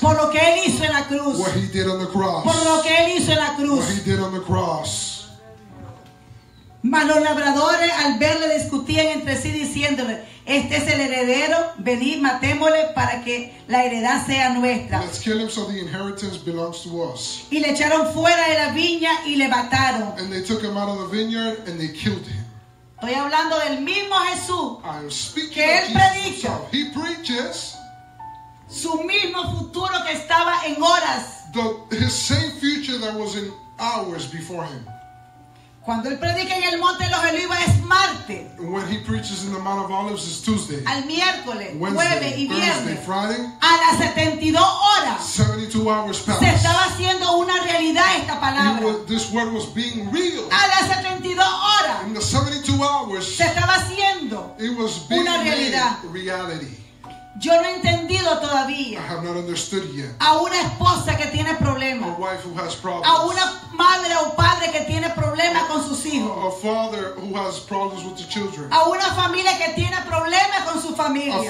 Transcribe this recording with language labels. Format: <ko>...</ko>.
<es>por lo que Él hizo en la cruz,</es> <en>what He did on the cross,</en> <es>por lo que Él hizo en la cruz,</es> <en>what He did on the cross.</en> <es>Mas los labradores al verle discutían entre sí diciéndole: este es el heredero, venid, matémosle para que la heredad sea nuestra.</es> <en>Let's kill him so the inheritance belongs to us.</en> <es>Y le echaron fuera de la viña y le mataron.</es> <en>And they took him out of the vineyard and they killed him.</en> <es>Estoy hablando del mismo Jesús.</es> <en>I'm speaking</en> <es>que él predica.</es> <en>He preaches.</en> <es>Su mismo futuro que estaba en horas.</es> <en>His same future that was in hours before him.</en> <es>Cuando él predica en el Monte de los Olivos es martes.</es> <en>When he preaches in the Mount of Olives is Tuesday.</en> <es>Al miércoles,</es> <en>Wednesday,</en> <es>jueves y viernes.</es> <en>Thursday, Friday.</en> <es>A las 72 horas.</es> <en>72 hours passed.</en> <es>Se estaba haciendo una realidad esta palabra.</es> <en>This word was being real.</en> <es>A las 72 horas.</es> <en>In the 72 hours.</en> <es>Se estaba haciendo.</es> <en>It was being</en> <es>una realidad.</es> <en>Made reality.</en> <es>Yo no he entendido todavía.</es> <en>I have not understood yet.</en> <es>A una esposa que tiene problemas.</es> <en>A wife who has problems.</en> <es>A una madre o padre que tiene problemas con sus hijos.</es> <en>A father who has problems with the children.</en> <es>A una familia que tiene problemas con su familia.</es>